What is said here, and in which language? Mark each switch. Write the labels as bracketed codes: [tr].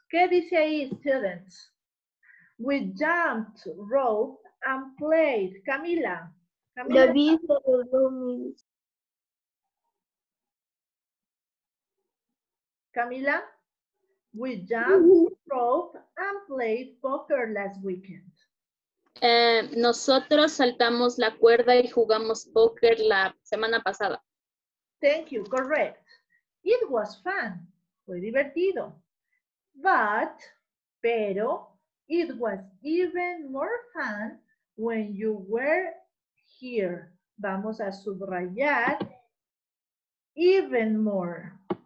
[en] ¿Qué dice ahí, students? We jumped rope and played. Camila. [es] David arregló mi bicicleta. Camila. [en] We jumped rope and played poker last weekend. [es] Nosotros saltamos la cuerda y jugamos poker la semana pasada. [en] Thank you, correct. It was fun. Fue divertido. But, pero, it was even more fun when you were here. [es] Vamos a subrayar even more.